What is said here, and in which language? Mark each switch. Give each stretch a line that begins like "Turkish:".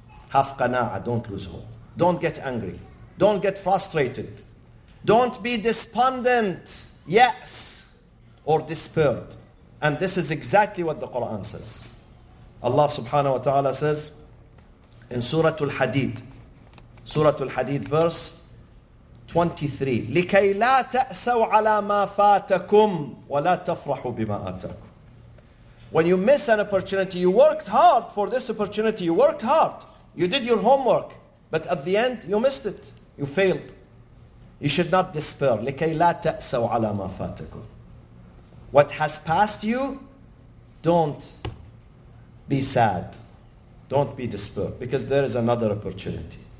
English: Have qana'ah, don't lose hope. Don't get angry. Don't get frustrated. Don't be despondent, yes, or despaired. And this is exactly what the Quran says. Allah subhanahu wa ta'ala says in Surah Al-Hadid, verse 23,
Arabic: لِكَيْ لَا تَأْسَوْ عَلَى مَا فَاتَكُمْ وَلَا تَفْرَحُوا بِمَا آتَكُمْ.
English: When you miss an opportunity, you worked hard for this opportunity, you worked hard, you did your homework, but at the end, you missed it, you failed. You should not despair.
Arabic: لِكَيْ لَا تَأْسَوْ عَلَى مَا فَاتَكُمْ.
English: What has passed you, don't be sad, don't be despaired, because there is another opportunity.